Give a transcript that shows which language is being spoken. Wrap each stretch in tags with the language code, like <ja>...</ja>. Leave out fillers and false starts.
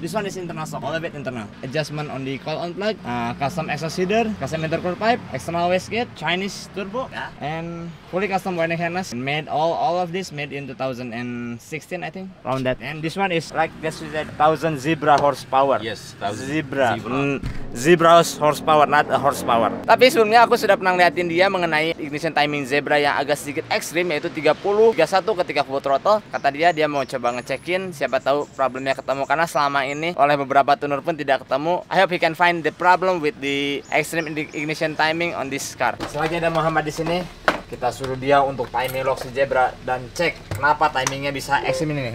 <en>This one is internal, so all of it internal. Adjustment on the call-on plug, custom exhaust header, custom intercooler pipe, external wastegate, Chinese turbo, and fully custom wiring harness. All of this made in 2016, I think, around that. And this one is like this with 1000 Zebra horsepower. Yes, 1000 Zebra. Zebra horsepower, not a horsepower.</en> <id>Tapi sebelumnya aku sudah pernah liatin dia mengenai ignition timing zebra yang agak sedikit ekstrim, yaitu 30-31 ketika full throttle. Kata dia mau coba ngecekin, siapa tahu problemnya ketemu, karena selama ini oleh beberapa tuner pun tidak ketemu.</id> <en>I hope he can find the problem with the extreme ignition timing on this car.</en> <id>Selagi ada Muhammad di sini, kita suruh dia untuk timing lock si zebra dan cek kenapa timingnya bisa ekstrim ini.</id>